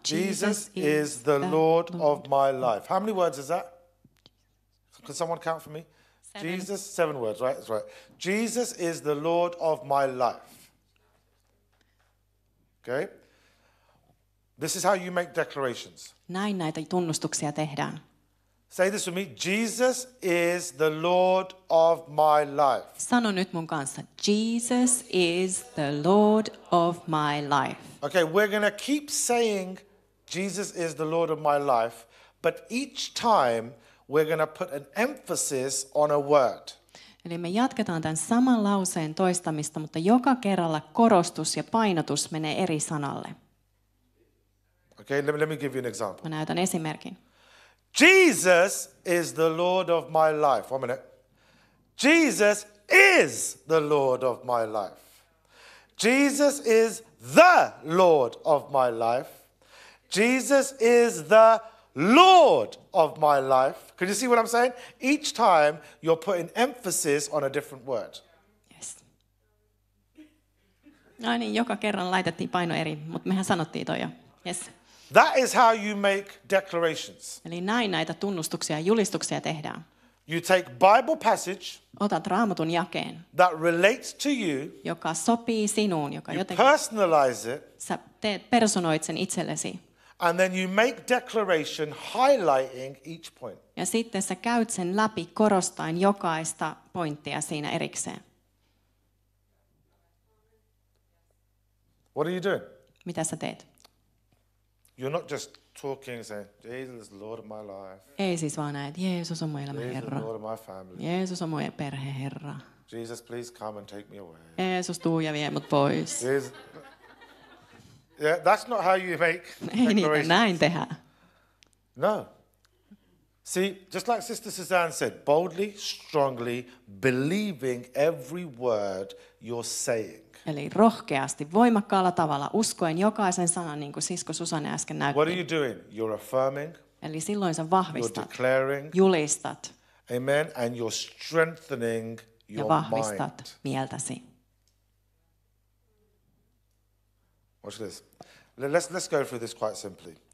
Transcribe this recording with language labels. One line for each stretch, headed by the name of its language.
English: Jesus is the Lord of my life. How many words is that? Can someone count for me? 7. Jesus, 7 words, right? That's right. Jesus is the Lord of my life. Okay? This is how you make declarations.
Finnish: Näin näitä tunnustuksia tehdään.
English: Say this with me. Jesus is the Lord of my life.
Finnish: Sano nyt mun kanssa.
English: Jesus is the Lord of my life. Okay, we're going to keep saying Jesus is the Lord of my life, but each time we're going to put an emphasis on a word.
Finnish: Eli me jatketaan tämän saman lauseen toistamista, mutta joka kerralla korostus ja painotus menee eri sanalle.
English: Okay, let me give you an example.
Finnish: Mä näytän esimerkin.
English: Jesus is the Lord of my life. One minute. Jesus is the Lord of my life. Jesus is the Lord of my life. Jesus is the Lord of my life. Can you see what I'm saying? Each time you're putting emphasis on a different word. Yes.
Finnish: No niin, joka kerran laitettiin paino eri, mutta mehän sanottiin toi jo.
English: Yes. That is how you make declarations.
Finnish: Eli näin näitä tunnustuksia ja julistuksia tehdään.
English: You take Bible passage.
Finnish: Otat Raamatun jakeen.
English: That relates to you.
Finnish: Joka sopii sinuun, joka jotenkin.
English: You personalize it.
Finnish: Sä teet, personoit sen itsellesi.
English: And then you make declaration highlighting each point.
Finnish: Ja sitten sä käyt sen läpi korostaen jokaista pointtia siinä erikseen.
English: What are you doing?
Finnish: Mitä sä teet?
English: You're not just talking and saying, Jesus, Lord of my life.
Finnish: Ei siis vaan näin, että Jeesus on mun elämän Herra.
English: Lord of my family.
Finnish: Jeesus on mun perhe Herra.
English: Jesus, please come and take me away.
Finnish: Jeesus, tuu ja vie mut pois.
English: Yeah, that's not how you make declarations.
Finnish: Ei niitä näin tehdä.
English: No. See, just like Sister Suzanne said, boldly, strongly, believing every word you're saying.
Finnish: Eli rohkeasti, voimakkaalla tavalla, uskoen jokaisen sanan, niin kuin sisko Susanne äsken näytti.
English: What are you doing? You're affirming.
Finnish: Eli silloin sä vahvistat.
English: You're declaring.
Finnish: Julistat.
English: Amen. And you're strengthening your mind.
Finnish: Ja vahvistat mieltäsi.
English: Watch this. Let's go through this quite simply.